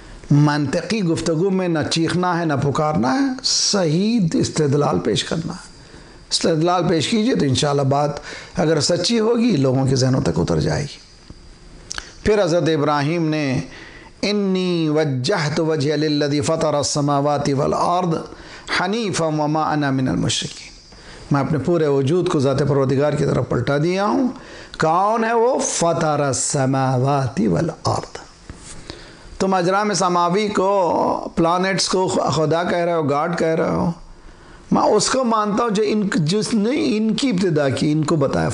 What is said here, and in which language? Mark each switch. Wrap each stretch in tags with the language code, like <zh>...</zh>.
<ur>منطقی گفتگو میں نہ چیخنا ہے نہ پکارنا ہے, صحیح استدلال پیش کرنا ہے. استدلال پیش کیجئے تو انشاءاللہ بات اگر سچی ہوگی لوگوں کے ذہنوں تک اتر جائے گی. پھر حضرت ابراہیم نے</ur> <ar>انی وجہت وجہ للذی فطر السماوات والارض حنیفا وما انا من المشرکین.</ar> <ur>میں اپنے پورے وجود کو ذات پروردگار کی طرف پلٹا دیا ہوں. کون ہے وہ؟</ur> <ar>فطر السماوات والارض.</ar> <ur>تم اجرام سماوی کو، پلانٹس کو خدا کہہ رہے ہو، گاڈ کہہ رہے ہو. میں اس کو مانتا ہوں جس نے ان کی ابتدا کی، ان کو بتایا.</ur>